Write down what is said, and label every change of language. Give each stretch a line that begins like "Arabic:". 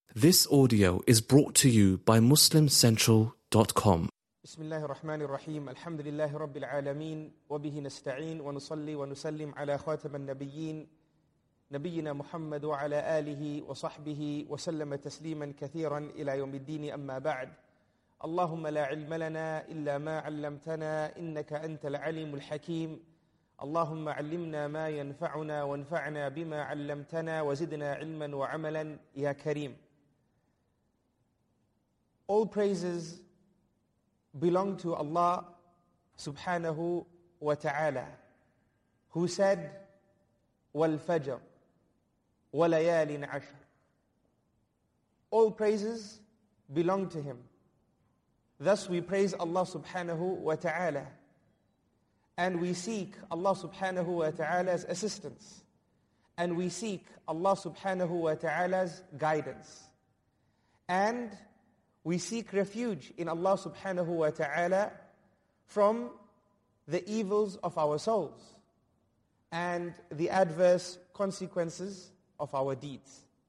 English: This audio is brought to you by MuslimCentral.com.
Arabic: بسم الله الرحمن الرحيم الحمد لله رب العالمين وبه نستعين ونصلي ونسلم على خاتم النبيين نبينا محمد وعلى آله وصحبه وسلم تسليما كثيرا إلى يوم الدين أما بعد اللهم لا علم لنا إلا ما علمتنا إنك أنت العليم الحكيم اللهم علمنا ما ينفعنا وانفعنا بما علمتنا وزدنا علما وعملا يا كريم.
English: All praises belong to Allah subhanahu wa ta'ala, who said,
Arabic: وَالْفَجَرْ وَلَيَالٍ عَشَرْ.
English: All praises belong to Him. Thus we praise Allah subhanahu wa ta'ala, and we seek Allah subhanahu wa ta'ala's assistance, and we seek Allah subhanahu wa ta'ala's guidance, and we seek refuge in Allah subhanahu wa ta'ala from the evils of our souls and the adverse consequences of our deeds.